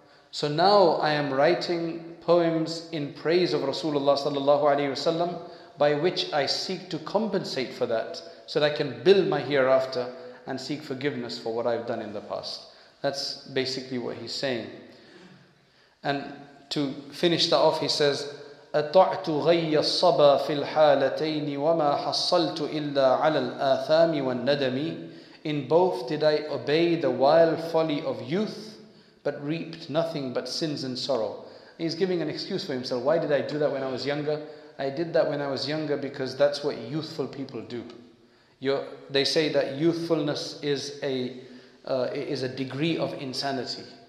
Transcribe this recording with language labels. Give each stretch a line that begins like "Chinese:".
English: So now I am writing poems in praise of Rasulullah sallallahu alaihi wasallam, by which I seek to compensate for that, so that I can build my hereafter and seek forgiveness for what I've done in the past. That's basically what he's saying. And to finish that off, he says,
Arabic: أَطَعْتُ غَيَّ الصَّبَى فِي الْحَالَتَيْنِ وَمَا حَصَّلْتُ إِلَّا عَلَى الْآثَامِ وَالنَّدَمِ.
English: In both did I obey the wild folly of youth, but reaped nothing but sins and sorrow. He's giving an excuse for himself. Why did I do that when I was younger? I did that when I was younger because that's what youthful people do. They say that youthfulness is a degree of insanity.